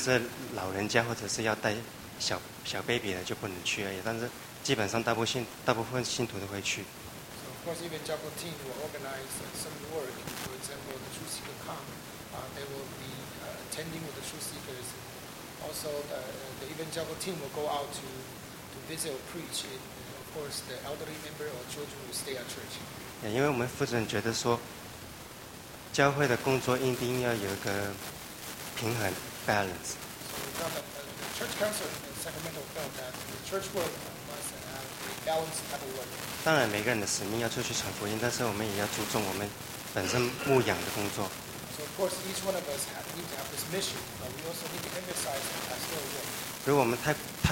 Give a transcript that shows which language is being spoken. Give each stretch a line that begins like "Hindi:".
Chinese: 当然，宣道组的人或许就比较多一点工作，比如说要去陪谈，有慕道者来陪他们做这样子。但是，比如说我们去发传单，现在我们组织后之后就是全体一起出去的，顶多就是老人家或者是要带 小 baby 的就不能去而已，但是基本上大部分信徒都会去。
English: So of course, even evangelical team will organize some work. For example, the truth seeker come, they will be attending with the truth seekers. Also, the evangelical team will go out to visit or preach. And of course, the elderly member or children will stay at church.
Chinese: Yeah, 因为我们负责人觉得说，教会的工作一定要有一个平衡 balance.
English: So we got the church council. Sacramento felt that the church work must have a balanced type of work.
Chinese: 当然，每个人的使命要出去传福音，但是我们也要注重我们本身牧养的工作。
English: So of course, each one of us need to have this mission, but we also need to emphasize the pastoral work.